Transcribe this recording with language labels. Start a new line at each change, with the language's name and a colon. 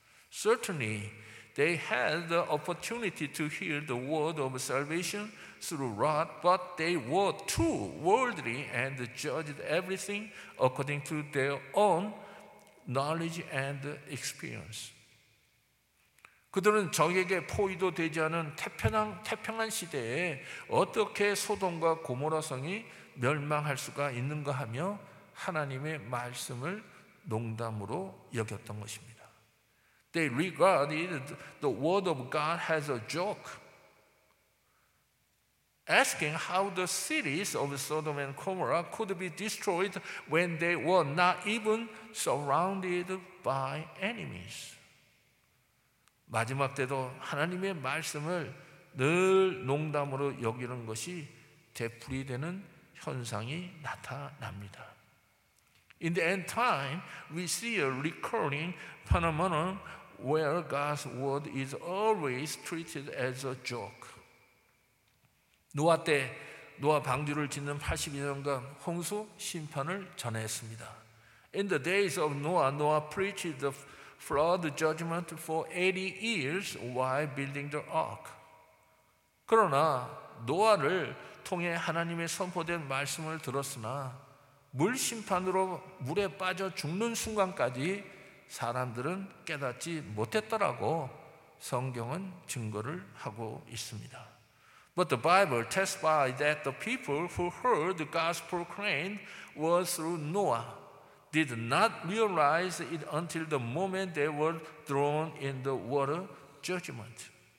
English: Certainly, they had the opportunity to hear the word of salvation through Lot, but they were too worldly and judged everything according to their own knowledge and experience.
Korean: 그들은 적에게 포위도 되지 않은 태평한 시대에 어떻게 소돔과 고모라성이 멸망할 수가 있는가 하며 하나님의 말씀을 농담으로 여겼던 것입니다.
English: They regarded the word of God as a joke, asking how the cities of Sodom and Gomorrah could be destroyed when they were not even surrounded by enemies.
Korean: 마지막 때도 하나님의 말씀을 늘 농담으로 여기는 것이 되풀이되는 현상이 나타납니다.
English: In the end time, we see a recurring phenomenon where God's word is always treated as a joke.
Korean: 노아 때 노아 방주를 짓는 82년간 홍수 심판을 전했습니다.
English: In the days of Noah, Noah preached the flood judgment for 80 years while building the ark.
Korean: 그러나 노아를 통해 하나님의 선포된 말씀을 들었으나 물 심판으로 물에 빠져 죽는 순간까지 사람들은 깨닫지 못했더라고 성경은 증거를 하고 있습니다.
English: But the Bible testified that the people who heard the gospel proclaimed were through Noah did not realize it until the moment they were thrown in the water judgment.